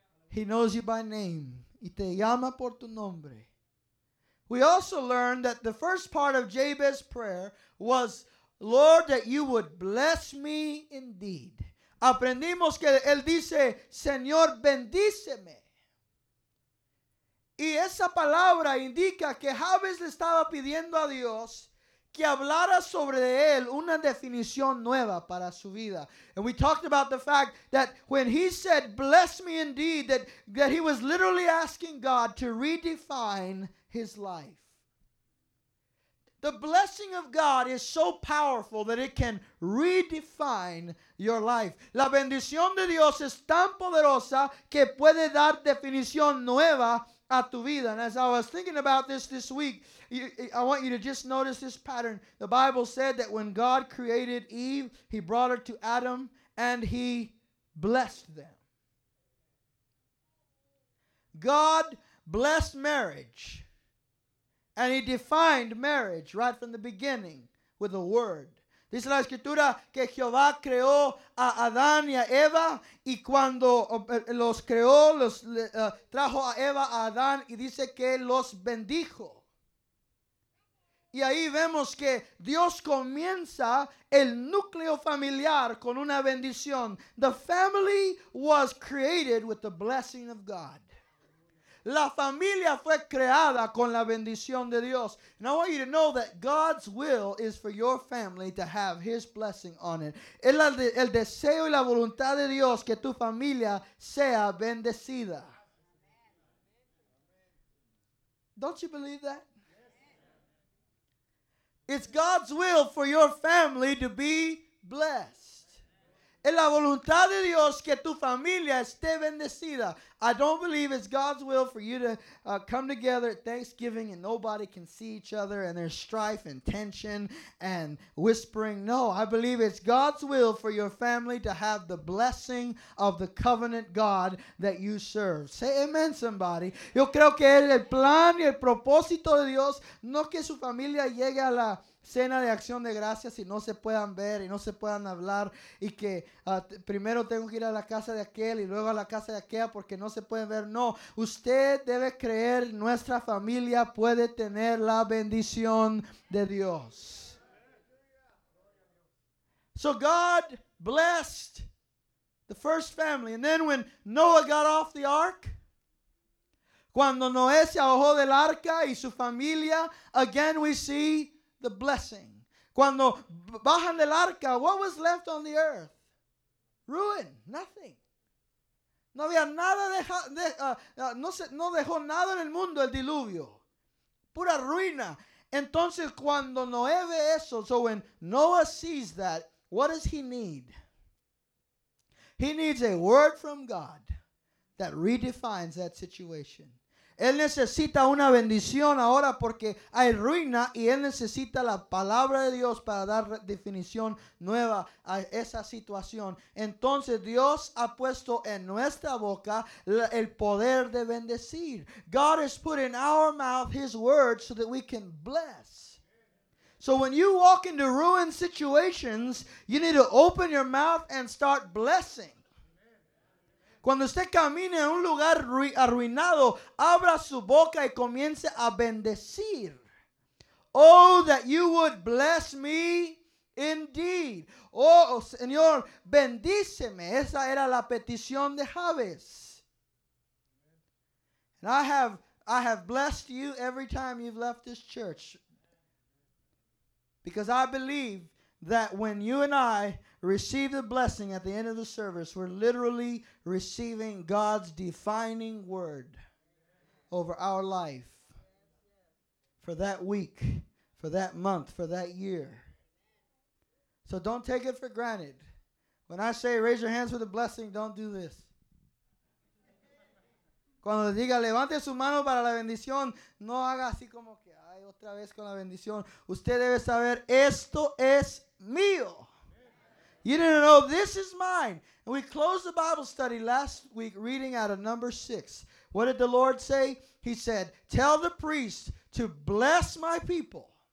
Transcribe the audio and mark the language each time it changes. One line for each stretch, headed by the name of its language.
English: He knows you by name.
Spanish: Y te llama por tu nombre.
English: We also learned that the first part of Jabez's prayer was, Lord, that you would bless me indeed.
Spanish: Aprendimos que él dice, Señor, bendíceme. Y esa palabra indica que Jabez le estaba pidiendo a Dios que hablara sobre él una definición nueva para su vida.
English: And we talked about the fact that when he said, bless me indeed, that he was literally asking God to redefine his life. The blessing of God is so powerful that it can redefine your life.
Spanish: La bendición de Dios es tan poderosa que puede dar definición nueva a tu vida.
English: And as I was thinking about this week, I want you to just notice this pattern. The Bible said that when God created Eve, he brought her to Adam and he blessed them. God blessed marriage and he defined marriage right from the beginning with a word.
Spanish: Dice la escritura que Jehová creó a Adán y a Eva, y cuando los creó, trajo a Eva a Adán, y dice que los bendijo. Y ahí vemos que Dios comienza el núcleo familiar con una bendición.
English: The family was created with the blessing of God.
Spanish: La familia fue creada con la bendición de Dios.
English: And I want you to know that God's will is for your family to have his blessing on it.
Spanish: El deseo y la voluntad de Dios que tu familia sea bendecida.
English: Don't you believe that? It's God's will for your family to be blessed. Es la voluntad de Dios que tu familia esté bendecida. I don't believe it's God's will for you to come together at Thanksgiving and nobody can see each other and there's strife and tension and whispering. No, I believe it's God's will for your family to have the blessing of the covenant God that you serve. Say amen, somebody.
Spanish: Yo creo que es el plan y el propósito de Dios, no que su familia llegue a la cena de acción de gracias y no se puedan ver y no se puedan hablar y que primero tengo que ir a la casa de aquel y luego a la casa de aquella porque no se pueden ver. No, usted debe creer nuestra familia puede tener la bendición de Dios.
English: So God blessed the first family. And then when Noah got off the ark,
Spanish: cuando Noé se bajó del arca y su familia,
English: again we see the blessing.
Spanish: Cuando bajan del arca,
English: what was left on the earth? Ruin. Nothing.
Spanish: No había nada no dejó nada en el mundo el diluvio. Pura ruina. Entonces, cuando Noé ve eso,
English: so when Noah sees that, what does he need? He needs a word from God that redefines that situation.
Spanish: Él necesita una bendición ahora porque hay ruina y él necesita la palabra de Dios para dar definición nueva a esa situación. Entonces Dios ha puesto en nuestra boca el poder de bendecir.
English: God has put in our mouth his word so that we can bless. So when you walk into ruined situations, you need to open your mouth and start blessing.
Spanish: Cuando usted camine en un lugar arruinado, abra su boca y comience a bendecir.
English: Oh, that you would bless me indeed.
Spanish: Oh, Señor, bendíceme. Esa era la petición de Jabez.
English: And I have blessed you every time you've left this church. Because I believe that when you and I receive the blessing at the end of the service, we're literally receiving God's defining word over our life for that week, for that month, for that year. So don't take it for granted. When I say raise your hands for the blessing, don't do this.
Spanish: Cuando diga levante su mano para la bendición, no haga así como que ay otra vez con la bendición. Usted debe saber esto es mío.
English: You didn't know this is mine. And we closed the Bible study last week reading out of number 6. What did the Lord say? He said, tell the priest to bless my people.